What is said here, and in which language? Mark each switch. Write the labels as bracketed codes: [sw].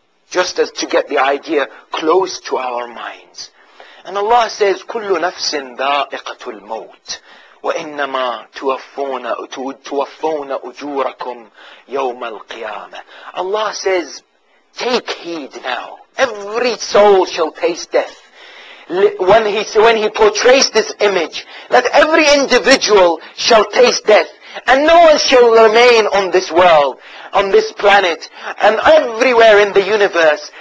[en] Just as to get the idea close to our minds. And Allah says, [ar] كُلُّ نَفْسٍ ذَائِقَةُ الْمَوْتِ وَإِنَّمَا تُوَفَّوْنَ أُجُورَكُمْ يَوْمَ الْقِيَامَةِ. [en] Allah says, take heed now. Every soul shall taste death. When he portrays this image, that every individual shall taste death. And no one shall remain on this world, on this planet, and everywhere in the universe.